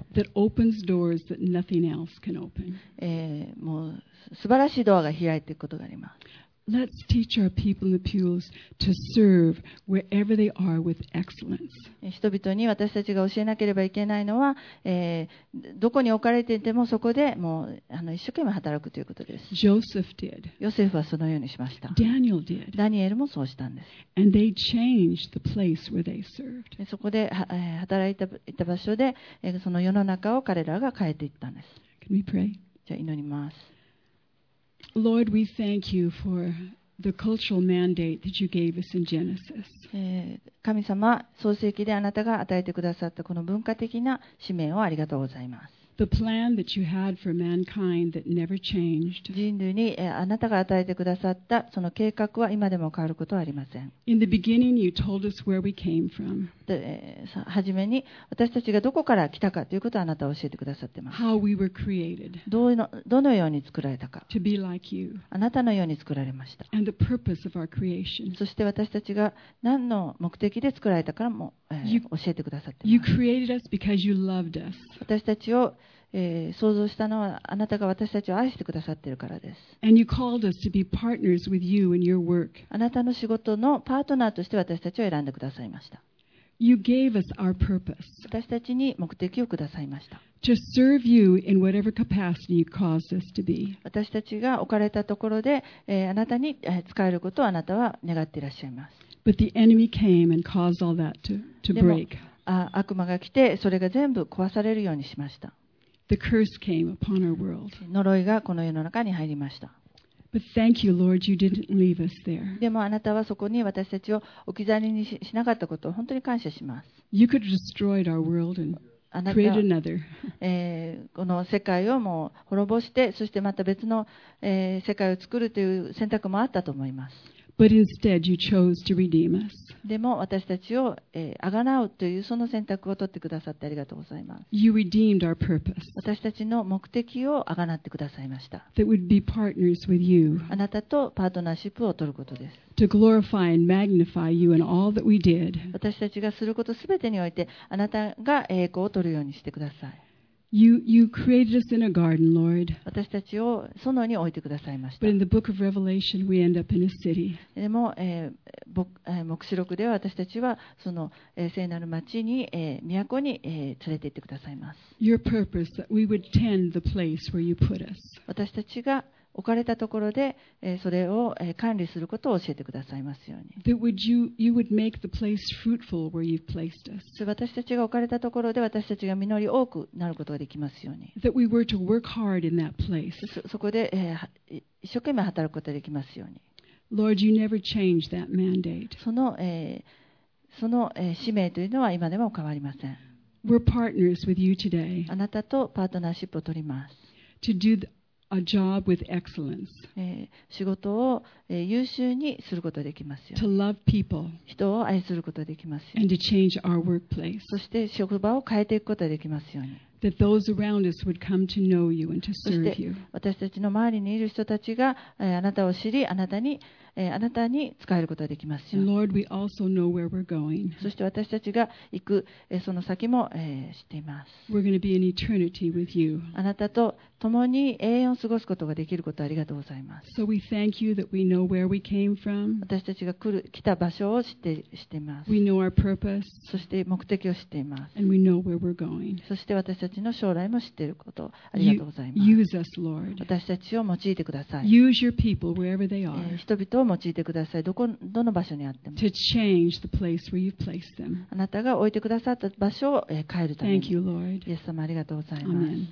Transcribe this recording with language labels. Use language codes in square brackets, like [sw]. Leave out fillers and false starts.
[en] that opens doors that nothing else can open. [ja] もう素晴らしいドアが開いていくことがあります。 [en] Let's teach our people in the pews to serve wherever they are with excellence. [ja] 人々に私たちが教えなければいけないのは、どこに置かれていてもそこでもう一生懸命働くということです。 [en] Joseph did. [ja] ヨセフはそのようにしました。 [en] Daniel did. [ja] ダニエルもそうしたんです。 [en] And they changed the place where they served. [ja] そこで働いていた場所で、その世の中を彼らが変えていったんです。 [en] Can we pray? [ja] じゃあ祈ります。 [en] Lord, we thank you for the cultural mandate that you gave us in Genesis. [ja] 神様、創世記であなたが与えてくださったこの文化的な使命をありがとうございます。 [en] The plan that you had for mankind that never changed. [ja] 人類に、あなたが与えてくださったその計画は今でも変わることはありません。 [en] In the beginning, you told us where we came from. [ja] 初めに私たちがどこから来たかということをあなたは教えてくださっています。 [en] How we were created. [ja] どのように作られたか。 [en] To be like you. [ja] あなたのように作られました。 [en] And the purpose of our creation. [ja] そして私たちが何の目的で作られたかも、教えてくださっています [en] You created us because you loved us. [ja] 私たちを想像したのはあなたが私たちを愛してくださっているからです。 [en] And you called us to be partners with you in your work. [ja] あなたの仕事のパートナーとして私たちを選んでくださいました。 [en] You gave us our purpose. [ja] 私たちに目的をくださいました。 [en] To serve you in whatever capacity you caused us to be. [ja] 私たちが置かれたところで、あなたに使えることをあなたは願っていらっしゃいます。 [en] But the enemy came and caused all that to break. [ja] 悪魔が来てそれが全部壊されるようにしました。 [en] The curse came upon our world. [ja] 呪いがこの世の中に入りました。 [en] But thank you, Lord, you didn't leave us there. [ja] でもあなたはそこに私たちを置き去りにしなかったことを本当に感謝します。 [en] You could have destroyed our world and created another. [ja] この世界をもう滅ぼして、そしてまた別の、世界を作るという選択もあったと思います。 [en] But instead, you chose to redeem us. [ja] でも私たちを、贖うというその選択を取ってくださってありがとうございます。 [en] You redeemed our purpose. [ja] 私たちの目的を贖ってくださいました。 [en] That would be partners with you. [ja] あなたとパートナーシップを取ることです。 [en] To glorify and magnify you in all that we did. [ja] 私たちがすることすべてにおいてあなたが栄光を取るようにしてください。 [en] You created us in a garden, Lord. [ja] 私たちを園に置いてくださいました。 [en] But in the book of Revelation, we end up in a city. [ja] でも、黙示録では私たちはその、聖なる町に、都に、連れて行ってくださいます。 [en] Your purpose that we would tend the place where you put us. [ja] 私たちが置かれたところで、それを、管理することを教えてくださいますように。 [en] That would you would make the place fruitful where you've placed us. [ja] 私たちが置かれたところで私たちが実り多くなることができますように。 [en] That we were to work hard in that place. [ja] そこで、一生懸命働くことができますように。 [en] Lord, you never changed that mandate. [ja] その、その、使命というのは今でも変わりません。 [en] We're partners with you today. [ja] あなたとパートナーシップを取ります。 [en] To do a job with excellence. [ja] 仕事を、優秀にすることができますよ。 [en] To love people. [ja] 人を愛することができますよ。 [en] And to change our workplace. [ja] そして職場を変えていくことができますように。 [en] That those around us would come to know you and to serve you. [ja] そして私たちの周りにいる人たちが、あなたを知り、あなたに、あなたに使えることができますように。 [en] Lord, we also know where we're going. [ja] そして私たちが行く、その先も、知っています。 [en] We're going to be in eternity with you. [ja] あなたと共に永遠を過ごすことができることをありがとうございます。 [en] So we thank you that we know where we came from. [ja] 私たちが来た場所を知っています。 [en] We know our purpose. [ja] そして目的を知っています。 [en] And we know where we're going. [ja] そして私たちの将来も知っていることをありがとうございます。 [en] Use us, Lord. [ja] 私たちを用いてください。 [en] Use your people wherever they are. [ja] 人々を用いてください。どの場所にあっても。 [en] To change the place where you've placed them. [ja] あなたが置いてくださった場所を変えるために。 [en] Thank you, Lord. [ja] イエス様ありがとうございます。